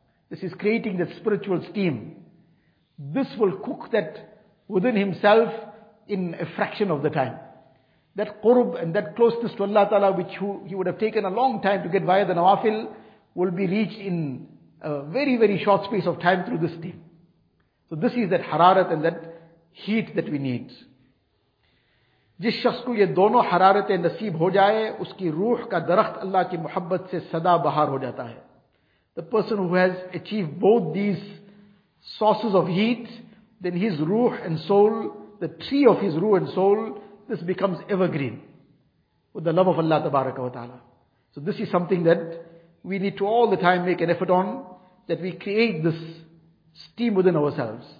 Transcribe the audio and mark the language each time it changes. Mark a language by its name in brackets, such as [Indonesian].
[English] This is creating that spiritual steam. This will cook that within himself in a fraction of the time. That qurb and that closeness to Allah Ta'ala, which he would have taken a long time to get via the nawafil, will be reached in a very, very short space of time through this steam. So this is that hararat and that heat that we need. [Urdu] جس شخص کو یہ دونوں حرارتیں نصیب ہو جائے اس کی روح کا درخت اللہ کی محبت سے صدا بہار ہو جاتا ہے. [English] The person who has achieved both these sources of heat, then his ruh and soul, the tree of his ruh and soul, this becomes evergreen with the love of Allah tabaraka wa ta'ala. So this is something that we need to all the time make an effort on, that we create this steam within ourselves.